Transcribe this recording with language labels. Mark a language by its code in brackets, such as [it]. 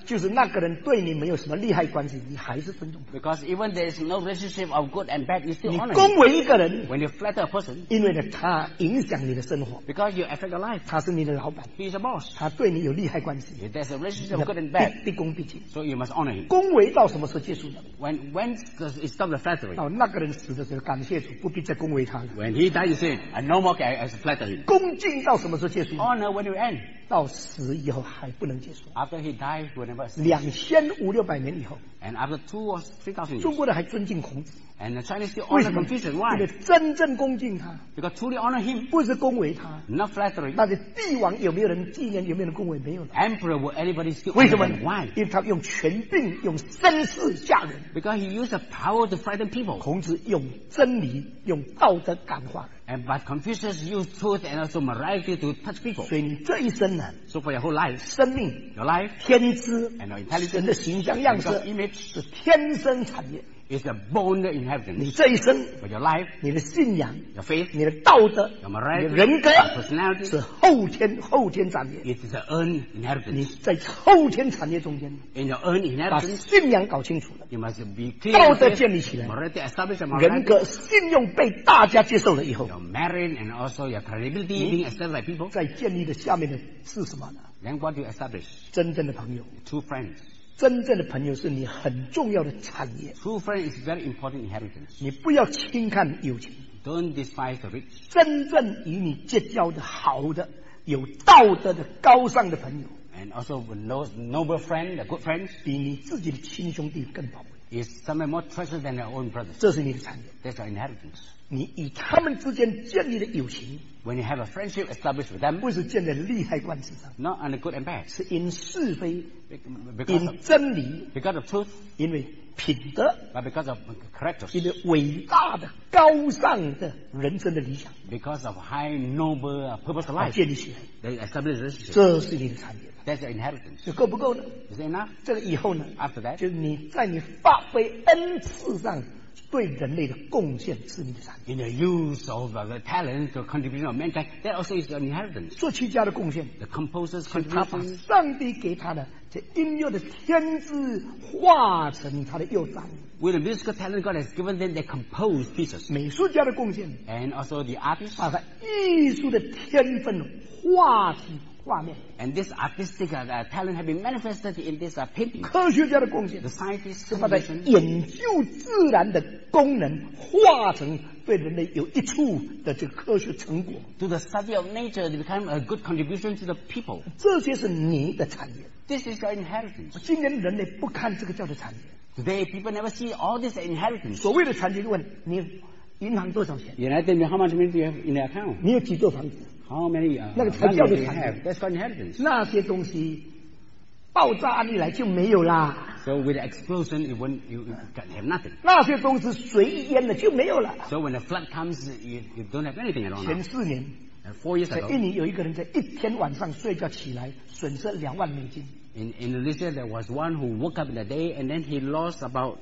[zh] 就是那个人对你没有什么利害关系，你还是尊重他。 [en] Because even there is no relationship of good and bad, you still honor. [zh] 你恭维一个人， [en] when you flatter a person, [zh] 因为他影响你的生活。 [en] Because you affect your life. [zh] 他是你的老板， [en] he is a boss. [zh] 他对你有利害关系， [en] if there is a relationship of good and bad, [zh] 必恭必敬。 [en] So you must honor him. [zh] 恭维到什么时候结束的？ [en] When does it stop the flattery? [zh] 到那个人死的时候，感谢主，不必再恭维他。 [en] When he dies, you say,And no more as a flattery. [zh] 恭敬到什么时候结束？ [en] Honor when you end. [zh] 到死以后还不能结束。 [en] After he dies, whenever. [zh] 2500年以后。 [en] And after 2000 or 3000 years. [zh] 中国人还尊敬孔子。 [en] And the Chinese still honor Confucius. Why? [zh] 因为真正恭敬他。 [en] Because truly honor him. [zh] 不是恭维他。 [en] Not flattery. [zh] 那些帝王有没有人纪念？有没有人恭维？没有了。 [en] Emperor will anybody still honor him? Why? [zh] 因为他用权柄，用声势吓人。 [en] Because he used the power to frighten people. [zh] 孔子用真理，用道德感化。 [en] And but Confucius used truth and also morality to touch people. [zh] 所以你这一生呢？ [en] So for your whole life, [zh] 生命 [en] your life, [zh] 天资 [en] and your intelligence, [zh] 神的形象样式 [en] image [zh] 是天生产业 [en] is a born in heaven. [zh] 你这一生 [en] for your life, [zh] 你的信仰 [en] your faith, [zh] 你的道德 [en] your morality, [zh] 你的人格 [en] your personality [zh] 是后天产业 [en] it is an earned inheritance. [zh] 你在后天产业中间 [en] in your earned inheritance, [zh] 把信仰搞清楚了 [en] you must be clear, [zh] 道德建立起来 [en] morality establish morality, [zh] 人格信用被大家接受了以后 [en] Merit and also your credibility being accepted by people. [zh] 在建立的下面的是什么呢？ [en] Then what do you establish? [zh] 真正的朋友。 [en] True friends. [zh] 真正的朋友是你很重要的产业。 [en] True friend is very important inheritance. [zh] 你不要轻看友情。 [en] Don't despise the rich. [zh] 真正与你结交的好的、有道德的、高尚的朋友。 [en] And also noble friend, the good friends. [zh] 比你自己的亲兄弟更宝贵。 [en] Is something more treasured than your own brothers. [zh] 这是你的产业。 [en] That's your inheritance. [zh] 你与他们之间建立的友情。 [en] When you have a friendship established with them. [zh] 不是建立利害关系上。 [en] Not on the good and bad. [zh] 是因是非。 [en] Because [zh] in 真理。 [en] Because of truth. [zh] 因为品德。 [en] But because of characters. [zh] 因为伟大的高尚的人生的理想。 [en] Because of high noble purpose of life. [zh] 建立起来。 [en] They establish relationships. [zh] 这是你的产业。 [en] That's your inheritance. [zh] 就够不够呢？ [en] Is it enough? [zh] 这个以后呢？ [en] After that, [zh] 就是你在你发挥恩赐上对人类的贡献是你的产业。 [en] In the use of the talents or contribution of mankind, that also is your inheritance. [zh] 作曲家的贡献， [en] the composer's contribution, [zh] 是他把上帝给他的这音乐的天资化成他的乐章。 [en] With the musical talent God has given them, they compose pieces. [zh] 美术家的贡献， [en] and also the artist, [zh] 把他艺术的天分化成。 [en] And this artistic talent has been manifested in this painting. [zh] 科学家的贡献 [en] the scientists [zh] 是把它研究自然的功能化成对人类有益处的这个科学成果。 [en] To the study of nature, it became a good contribution to the people. [zh] 这些是你的产业。 [en] This is your inheritance. [zh] 今天人类不看这个叫做产业。 [en] Today, people never see all this inheritance. [zh] 所谓的产业，就问你银行多少钱 [en] ？United, you know, how much money do you have in the account? [zh] 你有几座房子？ [en] How many, [zh] 那个才叫做产业。 [en] That's called inheritance. [zh] 那些东西，爆炸案例来就没有啦。 [en] So with the explosion, it won't, you can have nothing. [zh] 那些东西水一淹了就没有了。 [en] So when the flood comes, you don't have anything at all. [zh] 前四年 [en] ，four years ago, [zh] 一年有一个人在一天晚上睡觉起来，损失$20,000。 [en] In Indonesia, there was one who woke up in the day and then he lost about